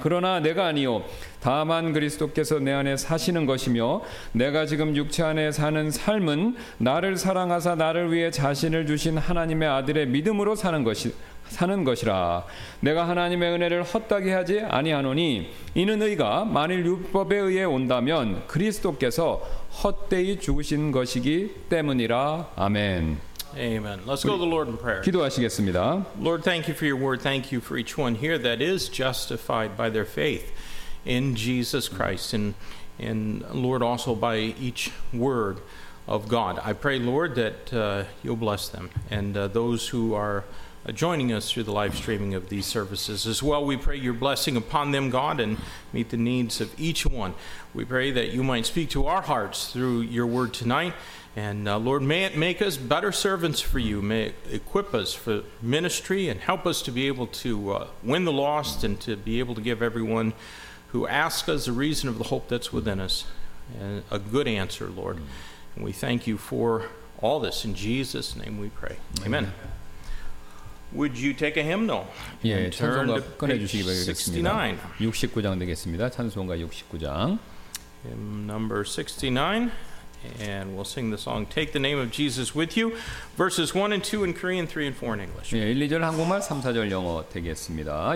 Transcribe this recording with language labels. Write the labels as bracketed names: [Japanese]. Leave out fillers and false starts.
[Korean] 그러나 내가 아니오 다만 그리스도께서 내 안에 사시는 것이며 내가 지금 육체 안에 사는 삶은 나를 사랑하사 나를 위해 자신을 주신 하나님의 아들의 믿음으로 사는 것이라. 내가 하나님의 은혜를 헛되게 하지 아니하노니 이는 의가 만일 율법에 의해 온다면 그리스도께서 헛되이 죽으신 것이기 때문이라. 아멘. [English] Amen. Let's go to the Lord in prayer. [Korean] 기도하시겠습니다. [English] Lord, thank you for your word. Thank you for each one here that is justified by their faith in Jesus Christ. And Lord, also by each word of God. I pray, Lord, that you'll bless them and those who are joining us through the live streaming of these services as well. We pray your blessing upon them, God, and meet the needs of each one. We pray that you might speak to our hearts through your word tonight. And Lord, may it make us better servants for you. May it equip us for ministry and help us to be able to win the lost and to be able to give everyone who asks us the reason of the hope that's within us a good answer, Lord. And we thank you for all this. In Jesus' name we pray. Amen. Would you take a hymnal? [Korean] 예, 찬송가 꺼내주시기 바라겠습니다. 69장 되겠습니다. 찬송가 69장. [English] Hymn number 69, and we'll sing the song "Take the Name of Jesus with You," verses 1 and 2 in Korean, 3 and 4 in English. [Korean] 예, 1, 2절 한국말, 3, 4절 영어 되겠습니다.